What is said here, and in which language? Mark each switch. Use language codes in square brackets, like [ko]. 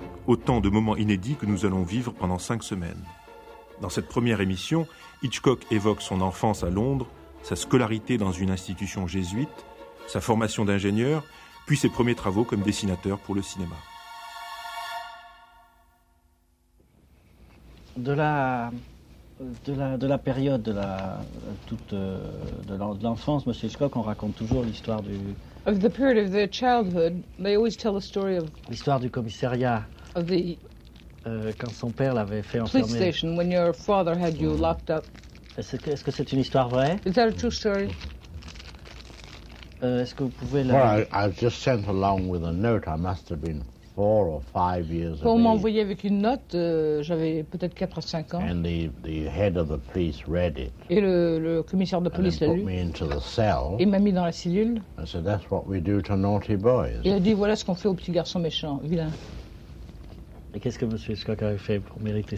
[fr] Autant de moments inédits que nous allons vivre pendant 5 semaines. Dans cette première émission, Hitchcock évoque son enfance à Londres, sa scolarité dans une institution jésuite, sa formation d'ingénieur, puis ses premiers travaux comme dessinateur pour le cinéma. De la période de la toute de l'enfance, Monsieur Hitchcock, on raconte toujours l'histoire du. [en] Of the period of their childhood, they always tell the story of. [fr] L'histoire du commissariat. [en] Of the. [fr] Quand son père l'avait fait enfermer. [en] Police station, when your father had you locked up. [fr] Est-ce que c'est une histoire vraie? [en] Is that a true story? [fr] Est-ce que vous pouvez la. [en] Well, I was just sent along with a note. I must have been 4 or 5 years [fr] ago. Pour m'envoyer avec une note, j'avais peut-être 4 ou 5 ans. [en] And the head of the police read it. [fr] Et le commissaire de police l'a lu. [en] And put me into the cell. [fr] Il m'a mis dans la cellule. [en] And said, that's what we do to naughty boys. [fr] Il a dit, voilà ce qu'on fait aux petits garçons méchants, vilains. Et qu'est-ce que M. Hitchcock avait fait pour mériter